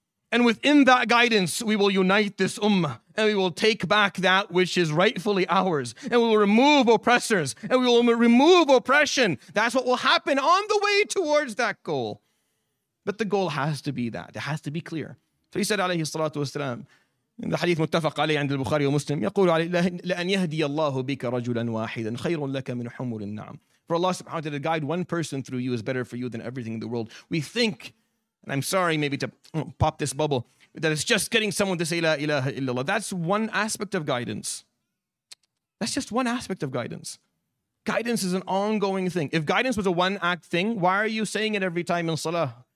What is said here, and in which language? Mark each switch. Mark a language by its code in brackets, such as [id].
[en] And within that guidance, we will unite this ummah, and we will take back that which is rightfully ours, and we will remove oppressors, and we will remove oppression. That's what will happen on the way towards that goal. But the goal has to be that. It has to be clear. [ar] فيسأل عليه الصلاة والسلام، هذا حديث متفق عليه عند البخاري ومسلم، يقول عليه: لأن يهدي الله بك رجلا واحدا خير لك من حمر النعم. [en] For Allah subhanahu wa ta'ala to guide one person through you is better for you than everything in the world. We think, and I'm sorry maybe to pop this bubble, that it's just getting someone to say la ilaha illallah. That's one aspect of guidance. That's just one aspect of guidance. Guidance is an ongoing thing. If guidance was a one-act thing, why are you saying it every time in salah?